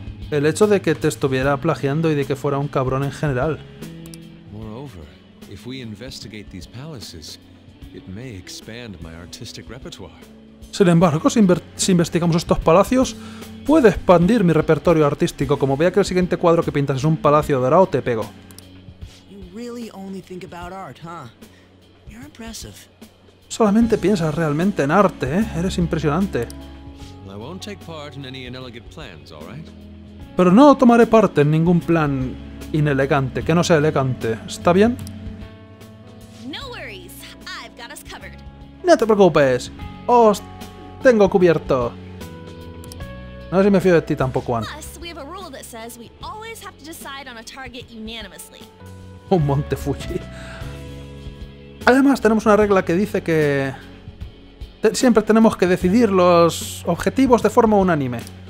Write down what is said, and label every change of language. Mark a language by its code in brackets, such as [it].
[es] el hecho de que te estuviera plagiando y de que fuera un cabrón en general. [en] Moreover, if we investigate these palaces, it may expand my artistic repertoire. [es] Sin embargo, si investigamos estos palacios, puede expandir mi repertorio artístico. Como vea que el siguiente cuadro que pintas es un palacio dorado, te pego. [en] You really only think about art, huh? You're impressive. [es] Solamente piensas realmente en arte, ¿eh? Eres impresionante. [en] I won't take part in any inelegant plans, all right? [es] Pero no tomaré parte en ningún plan inelegante, que no sea elegante, ¿está bien? [en] No worries, I've got us covered. [es] No te preocupes, os tengo cubierto. No sé si me fío de ti tampoco, Juan. [en] Plus, we have a rule that says we always have to decide on a target unanimously. [es] Un monte Fuji. Además, tenemos una regla que dice que siempre tenemos que decidir los objetivos de forma unánime.